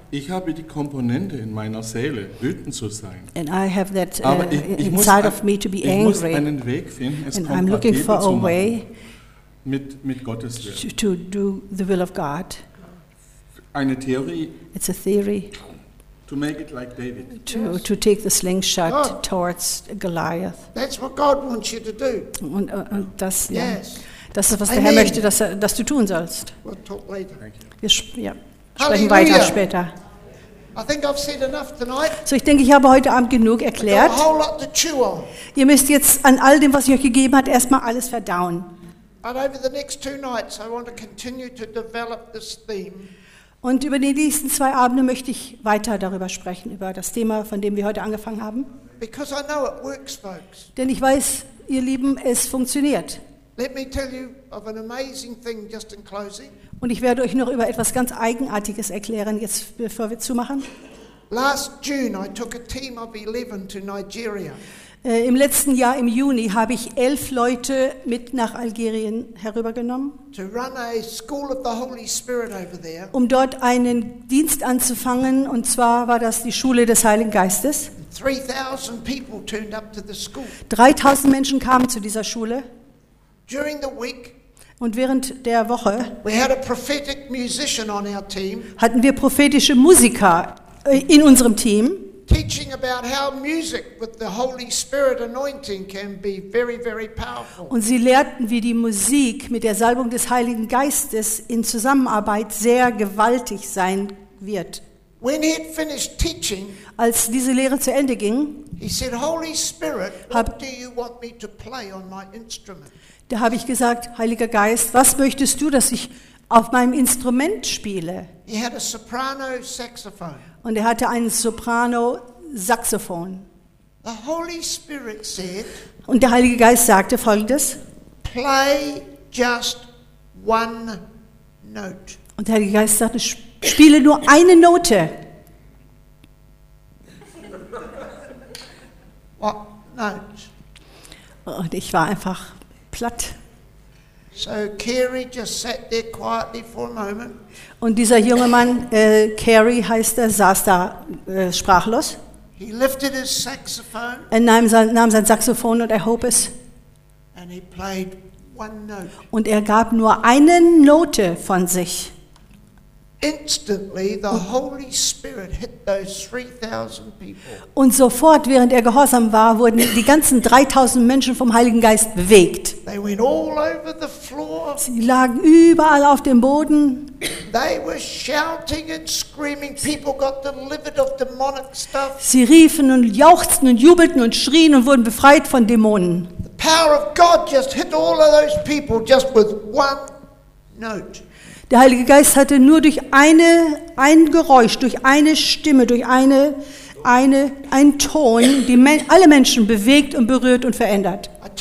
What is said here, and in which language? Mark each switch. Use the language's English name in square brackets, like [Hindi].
[German] Ich habe die Komponente in meiner Seele, wütend zu sein. [English] And I have that inside of me to be angry. [German] Ich muss einen Weg finden, es kompatibel zu machen mit Gottes Willen. [English] To do the will of God. [German] Eine Theorie. [English] It's a theory. To make it like David. To take the slingshot towards Goliath. That's what God wants you to do. [German] Und das, das ist, was der Herr möchte, dass du tun sollst. [English] We'll talk later. [German] Sprechen weiter später. [English] I think I've said enough tonight. [German] So, ich denke, ich habe heute Abend genug erklärt. [English] I've got a whole lot to chew on. [German] Ihr müsst jetzt an all dem, was ich euch gegeben habe, erstmal alles verdauen. [English] But over the next two nights, I want to continue to develop this theme. [German] Und über die nächsten zwei Abende möchte ich weiter darüber sprechen, über das Thema, von dem wir heute angefangen haben. [English] Because I know it works, folks. [German] Denn ich weiß, ihr Lieben, es funktioniert. [English] Let me tell you of an amazing thing just in closing. [German] Und ich werde euch noch über etwas ganz Eigenartiges erklären, jetzt bevor wir zumachen. [English] Last June I took a team of 11 to Nigeria. [German] Im letzten Jahr, im Juni, habe ich 11 Leute mit nach Algerien herübergenommen, [English] to run a school of the Holy Spirit over there. [German] Um dort einen Dienst anzufangen, und zwar war das die Schule des Heiligen Geistes. [English] 3,000 people turned up to the school. [German] 3,000 Menschen kamen zu dieser Schule. [English] During the week, [German] und während der Woche, [English] we had a prophetic musician on our team, [German] hatten wir prophetische Musiker in unserem Team, [English] teaching about how music with the Holy Spirit anointing can be very, very powerful. [German] Und sie lehrten, wie die Musik mit der Salbung des Heiligen Geistes in Zusammenarbeit sehr gewaltig sein wird. [English] When he had finished teaching, [German] als diese Lehre zu Ende ging, [English] he said, Holy Spirit, what do you want me to play on my instrument? [German] Da habe ich gesagt, Heiliger Geist, was möchtest du, dass ich auf meinem Instrument spiele? [English] He had a soprano saxophone. [German] Und er hatte ein Soprano-Saxophon. [English] The Holy Spirit said, [German] und der Heilige Geist sagte Folgendes. [English] Play just one note. [German] Und der Heilige Geist sagte, spiele nur eine Note. [English] What note? [German] Und ich war einfach platt. [English] So Kerry just sat there quietly for a moment. [German] Und dieser junge Mann, Kerry heißt er, saß da sprachlos. [English] He lifted his saxophone. [German] Er nahm sein Saxophon und erhob es. [English] And he played one note. [German] Und er gab nur eine Note von sich. [English] Instantly the Holy Spirit hit those 3,000 people. [German] Und sofort, während er gehorsam war, wurden die ganzen 3,000 Menschen vom Heiligen Geist bewegt. [English] They went all over the floor. [German] Sie lagen überall auf dem Boden. [English] They were shouting and screaming. People got delivered of demonic stuff. [German] Sie riefen und jauchzten und jubelten und schrien und wurden befreit von Dämonen. [English] The power of God just hit all of those people just with one note. [German] Der Heilige Geist hatte nur durch ein Geräusch, durch eine Stimme, durch einen Ton, die alle Menschen bewegt und berührt und verändert.